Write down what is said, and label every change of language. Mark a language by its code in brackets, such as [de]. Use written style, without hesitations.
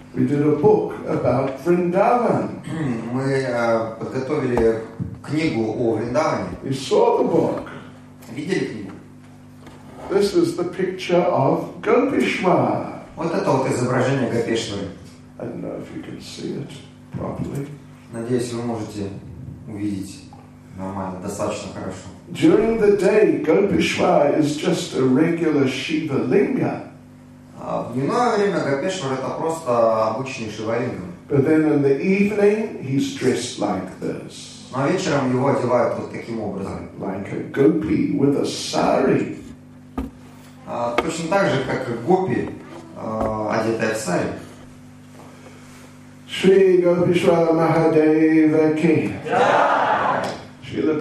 [en] We did a book about Vrindavan. [ru] Мы подготовили книгу о Вриндаване. [en] We saw the book. [ru] Видели книгу? [en] This is the picture of Gopeshwar. [ru] Вот это вот изображение Гопешвары. [en] I don't know if you can see it properly. [ru] Надеюсь, вы можете увидеть нормально, достаточно хорошо. [en] During the day, Gopeshwar is just a regular Shiva Linga. [ru] В дневное время Гопешвар это просто обычный Шивалинга. [en] But then in the evening, he's dressed like this. [ru] Но вечером его одевают вот таким образом. [en] Like a gopi with a sari. [ru] Точно так же, как и гопи, одетая в сари. [hi] Шри Гопешвар Махадева ки. Srila